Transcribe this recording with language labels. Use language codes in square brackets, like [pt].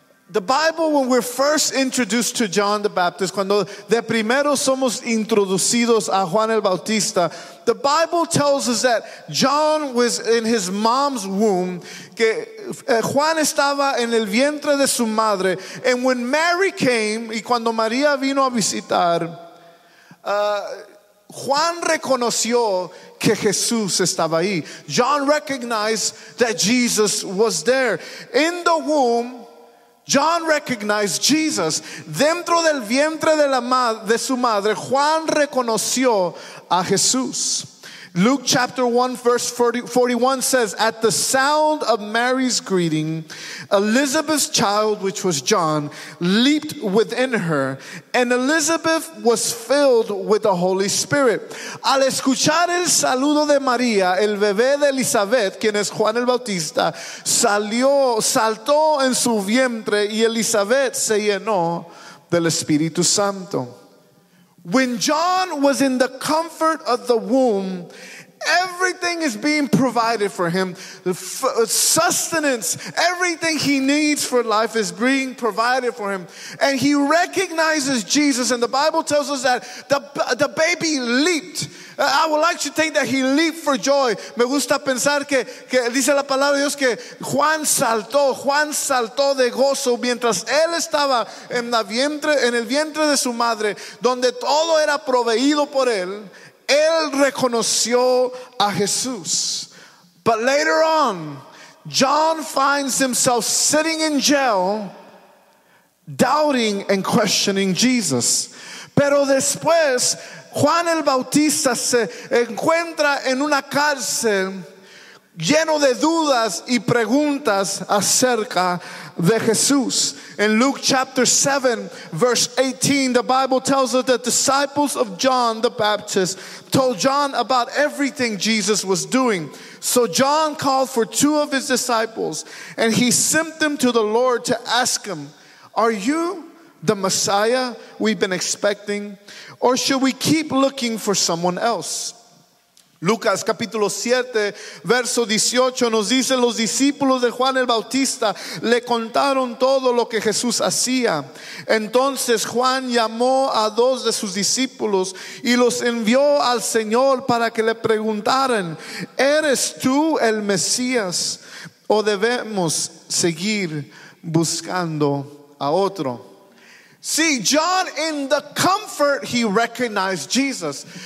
[en] The Bible, when we're first introduced to John the Baptist, [es] cuando de primero somos introducidos a Juan el Bautista, [en] the Bible tells us that John was in his mom's womb, [es] que Juan estaba en el vientre de su madre, [en] and when Mary came, [es] y cuando María vino a visitar, Juan reconoció que Jesús estaba ahí. [en] John recognized that Jesus was there. In the womb, John recognized Jesus. [es] Dentro del vientre de su madre, Juan reconoció a Jesús. [en] Luke chapter 1 verse 41 says, at the sound of Mary's greeting, Elizabeth's child, which was John, leaped within her, and Elizabeth was filled with the Holy Spirit. [es] Al escuchar el saludo de María, el bebé de Elizabeth, quien es Juan el Bautista, saltó en su vientre, y Elizabeth se llenó del Espíritu Santo. [en] When John was in the comfort of the womb, everything is being provided for him. Sustenance, everything he needs for life is being provided for him. And he recognizes Jesus. And the Bible tells us that the baby leaped. I would like to think that he leaped for joy. [es] Me gusta pensar que dice la palabra de Dios que Juan saltó de gozo mientras él estaba en el vientre de su madre, donde todo era proveído por él. Él reconoció a Jesús. [en] But later on, John finds himself sitting in jail, doubting and questioning Jesus. [es] Pero después, Juan el Bautista se encuentra en una cárcel lleno de dudas y preguntas acerca de Jesús. [en] In Luke chapter 7, verse 18, the Bible tells us that the disciples of John the Baptist told John about everything Jesus was doing. So John called for two of his disciples, and he sent them to the Lord to ask him, are you the Messiah we've been expecting, or should we keep looking for someone else? [es] Lucas capítulo 7, verso 18, nos dice, los discípulos de Juan el Bautista le contaron todo lo que Jesús hacía. Entonces Juan llamó a dos de sus discípulos y los envió al Señor para que le preguntaran, ¿eres tú el Mesías o debemos seguir buscando a otro? [en] See, John, in the comfort, he recognized Jesus.